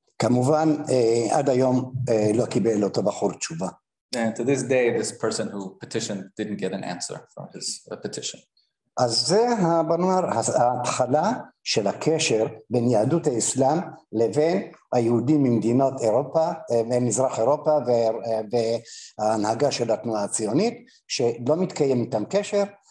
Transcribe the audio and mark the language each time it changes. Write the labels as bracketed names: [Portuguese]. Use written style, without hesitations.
[Hebrew] כמובן עד היום לא קיבל אותו בחור תשובה. [English] To this day, this person who petitioned didn't get an answer from his petition. [Hebrew] אז זה הבנואר, ההתחלה של הקשר בין יהדות האסלאם לבין היהודים ממדינות אירופה, ממזרח אירופה וההנהגה של התנועה הציונית, שלא מתקיים איתם קשר.